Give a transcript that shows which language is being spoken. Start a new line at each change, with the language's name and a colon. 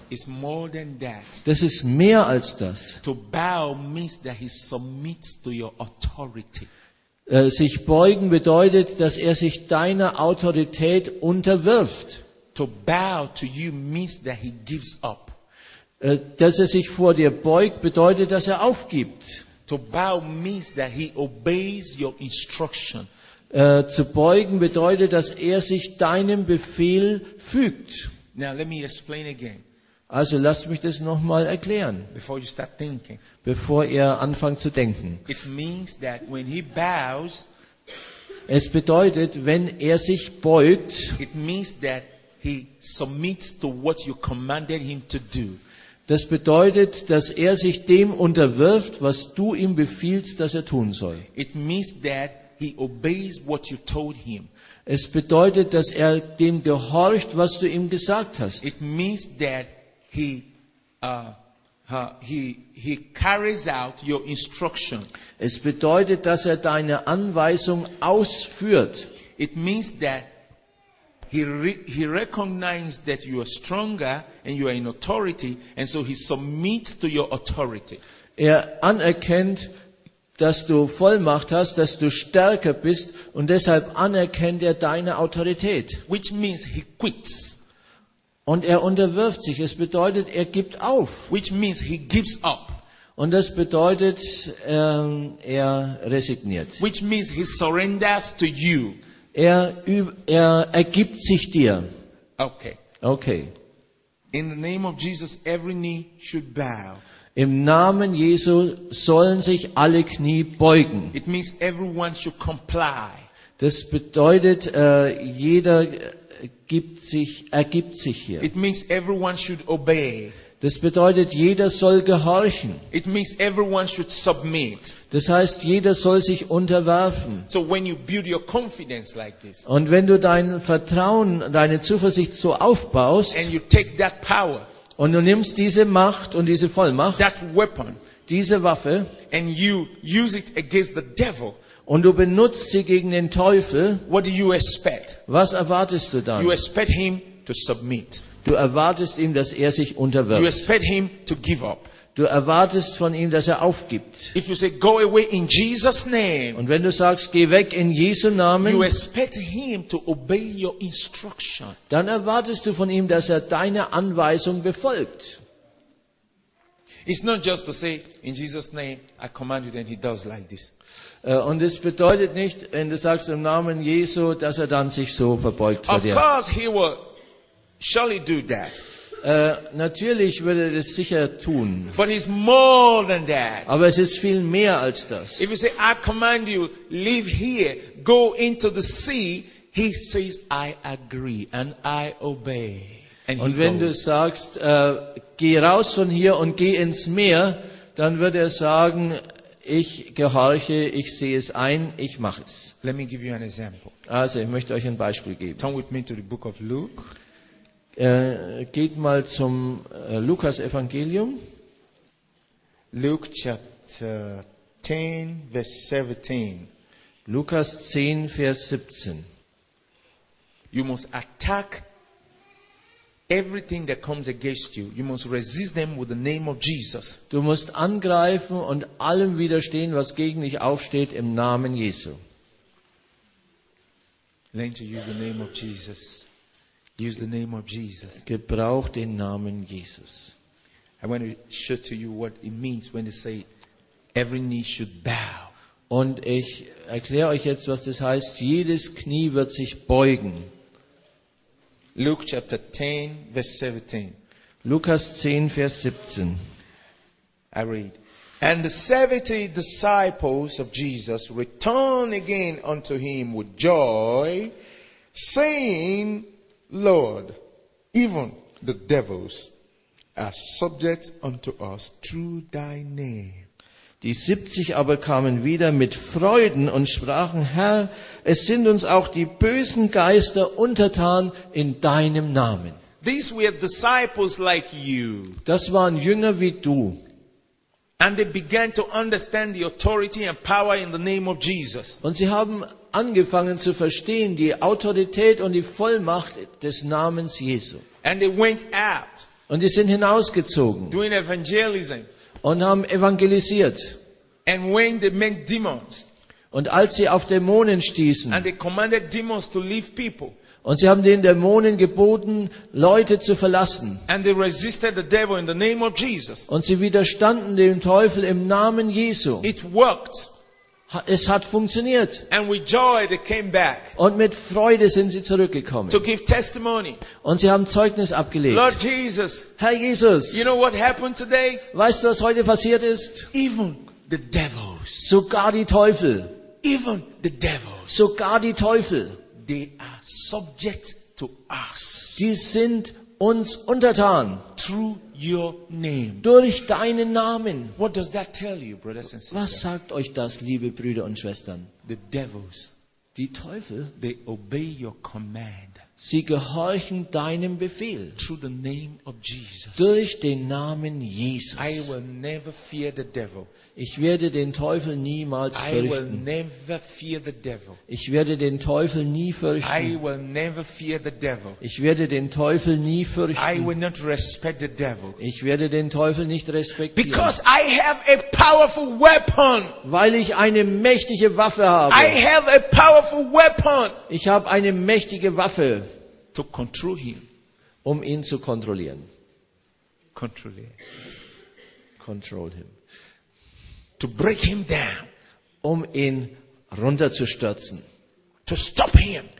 German: Das ist mehr als das.
English: To bow means that he submits to your authority.
German: Sich beugen bedeutet, dass er sich deiner Autorität unterwirft.
English: To bow to you means that he gives up.
German: Dass er sich vor dir beugt, bedeutet, dass er aufgibt.
English: To bow means that he obeys your instruction.
German: Zu beugen bedeutet, dass er sich deinem Befehl fügt.
English: Now, let me explain again.
German: Also lass mich das nochmal erklären,
English: before you start thinking.
German: Bevor ihr anfangt zu denken.
English: It means that when he bows,
German: es bedeutet, wenn er sich beugt,
English: it means that he submits to what you commanded him to do.
German: Das bedeutet, dass er sich dem unterwirft, was du ihm befiehlst, dass er tun soll.
English: It means that he obeys what you told him.
German: Es bedeutet, dass er dem gehorcht, was du ihm gesagt hast.
English: It means that he carries out your instruction.
German: Es bedeutet, dass er deine Anweisung ausführt.
English: It means that he recognizes that you are stronger and you are in authority, and so he submits to your authority.
German: Er anerkennt, dass du Vollmacht hast, dass du stärker bist und deshalb anerkennt er deine Autorität.
English: Which means he quits.
German: Und er unterwirft sich. Es bedeutet, er gibt auf.
English: Which means he gives up.
German: Und das bedeutet, er resigniert.
English: Which means he surrenders to you.
German: Er ergibt sich dir.
English: Okay.
German: Okay.
English: In the name of Jesus, every knee should bow.
German: Im Namen Jesu sollen sich alle Knie beugen.
English: It means everyone should comply.
German: Das bedeutet, jeder ergibt sich hier.
English: It means everyone should obey.
German: Das bedeutet, jeder soll gehorchen.
English: It means everyone should submit.
German: Das heißt, jeder soll sich unterwerfen.
English: So when you build your confidence like this,
German: und wenn du dein Vertrauen, deine Zuversicht so aufbaust,
English: and you take that power,
German: und du nimmst diese Macht und diese Vollmacht,
English: that weapon,
German: diese Waffe,
English: and you use it against the devil,
German: und du benutzt sie gegen den Teufel,
English: what do you expect?
German: Was erwartest du dann?
English: You expect him to submit.
German: Du erwartest ihm, dass er sich unterwirft.
English: You expect him to give up.
German: Du erwartest von ihm, dass er aufgibt.
English: If you say, go away in Jesus name,
German: und wenn du sagst, geh weg in Jesu Namen,
English: you expect him to obey your instruction.
German: Dann erwartest du von ihm, dass er deine Anweisung befolgt.
English: It's not just to say, in Jesus name, I command you, then he does like this.
German: Und es bedeutet nicht, wenn du sagst im Namen Jesu, dass er dann sich so verbeugt vor dir.
English: Of course he will surely do that.
German: Natürlich würde er das sicher tun.
English: But it's more than that.
German: Aber es ist viel mehr als das.
English: If you say, I command you, leave here, go into the sea, he says, I agree and I obey.
German: Und wenn du sagst, geh raus von hier und geh ins Meer, dann wird er sagen, ich gehorche, ich sehe es ein, ich mache es.
English: Let me give you an example.
German: Also, ich möchte euch ein Beispiel geben.
English: Turn with me to the book of Luke.
German: Geht mal zum Lukas-Evangelium.
English: Luke chapter 10, verse 17.
German: Lukas 10, Vers 17.
English: You must attack everything that comes against you. You must resist them with the name of Jesus.
German: Du musst angreifen und allem widerstehen, was gegen dich aufsteht, im Namen Jesu.
English: Learn to use the name of Jesus. Use the name of Jesus.
German: Gebrauch den Namen Jesus.
English: I want to show to you what it means when they say every knee should bow.
German: Und ich erkläre euch jetzt, was das heißt. Jedes Knie wird sich beugen.
English: Luke chapter 10, verse 17.
German: Lukas 10, Vers 17.
English: I read. And the 70 disciples of Jesus returned again unto him with joy, saying, Lord, even the devils are subject unto us through thy name.
German: Die 70 aber kamen wieder mit Freuden und sprachen, Herr, es sind uns auch die bösen Geister untertan in deinem Namen.
English: These were disciples like you.
German: Das waren Jünger wie du.
English: And they began to understand the authority and power in the name of Jesus.
German: Und sie haben angefangen zu verstehen die Autorität und die Vollmacht des Namens Jesu.
English: And they went out.
German: Und sie sind hinausgezogen.
English: Doing evangelism.
German: Und haben evangelisiert.
English: And when they met demons,
German: und als sie auf Dämonen stießen,
English: and they commanded demons to leave people,
German: und sie haben den Dämonen geboten, Leute zu verlassen,
English: and they resisted the devil in the name of Jesus,
German: und sie widerstanden dem Teufel im Namen Jesu.
English: It worked.
German: Es hat funktioniert.
English: And with joy they came back.
German: Und mit Freude sind sie zurückgekommen.
English: To give testimony.
German: Und sie haben Zeugnis abgelegt.
English: Lord Jesus,
German: Herr Jesus,
English: you know what happened today?
German: Weißt du, was heute passiert ist?
English: Even the devils,
German: sogar die Teufel.
English: Even the devils,
German: sogar die Teufel.
English: They are subject to us.
German: Die sind uns untertan.
English: Through your name.
German: Durch deinen Namen.
English: What does that tell you, brothers and sisters?
German: Was sagt euch das, liebe Brüder und Schwestern?
English: The devils,
German: die Teufel,
English: they obey your command.
German: Sie gehorchen deinem Befehl.
English: Through the name of Jesus.
German: Durch den Namen Jesus.
English: I will never fear the devil.
German: Ich werde den Teufel niemals fürchten.
English: I will never fear the devil.
German: Ich werde den Teufel nie fürchten.
English: I will never fear the devil.
German: Ich werde den Teufel nie fürchten.
English: I will not respect the devil.
German: Ich werde den Teufel nicht respektieren.
English: Because I have a powerful weapon.
German: Weil ich eine mächtige Waffe habe.
English: I have a powerful weapon.
German: Ich habe eine mächtige Waffe.
English: To control him.
German: Um ihn zu kontrollieren. Kontrollieren.
English: Control him. To break him down,
German: um ihn runterzustürzen.
English: To stop him,